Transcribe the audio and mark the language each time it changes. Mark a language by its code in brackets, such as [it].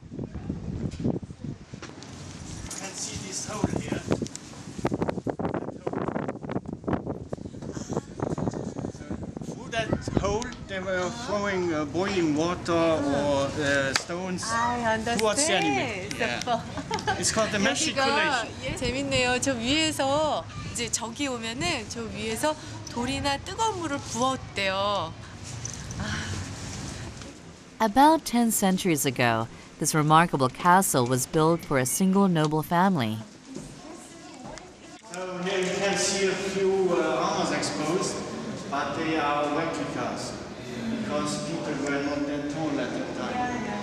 [en] You can see this hole here. Through that hole, they were throwing boiling water or stones towards the enemy. Yeah. It's called the machicolation. [ko] 재밌네요. 저 위에서 이제 적이 오면은 저 위에서 돌이나 뜨거운 물을 부었대요. [en] About 10 centuries ago, this remarkable castle was built for a single noble family. So here you can see a few armors exposed, but they are replicas because people were not that tall at that time.